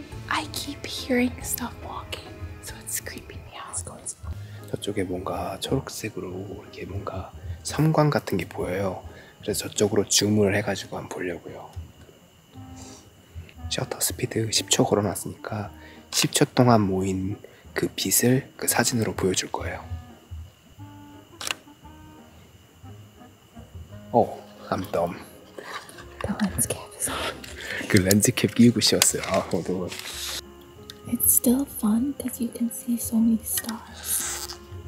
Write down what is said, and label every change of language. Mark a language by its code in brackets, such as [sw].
[en] I keep hearing stuff walking, so it's creeping me out. Let's go, let's go. [ko] 저쪽에 뭔가 초록색으로 이렇게 뭔가 섬광 같은 게 보여요. 그래서 저쪽으로 줌을 해가지고 한번 보려고요. 셔터 스피드 10초 걸어놨으니까 10초 동안 모인 그 빛을 그 사진으로 보여줄 거예요. [en] 오, I'm dumb. The lens cap is on. [ko] 그 렌즈 캡 끼우고 쉬었어요. 아, 너무. [en] It's still fun because you can see so many stars.